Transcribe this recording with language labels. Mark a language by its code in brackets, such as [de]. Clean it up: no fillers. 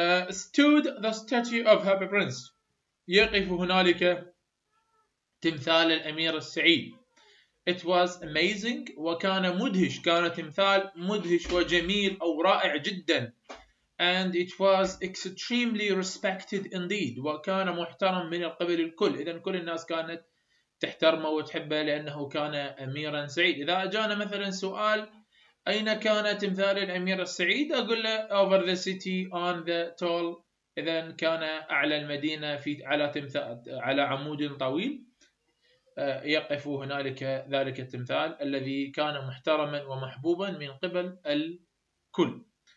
[en] stood the statue of Happy Prince، [ar] يقف هنالك تمثال الأمير السعيد. [en] it was amazing، [ar] وكان مدهش، كان تمثال مدهش وجميل أو رائع جدا. [en] and it was extremely respected indeed، [ar] وكان محترم من قبل الكل. إذن كل الناس كانت تحترمه وتحبه لأنه كان أميرا سعيد. إذا أجانا مثلا سؤال أين كان تمثال الأمير السعيد، أقول له [en] over the city on the tall، [ar] إذن كان أعلى المدينة في على تمثال على عمود طويل، يقف هنالك ذلك التمثال الذي كان محترما ومحبوبا من قبل الكل.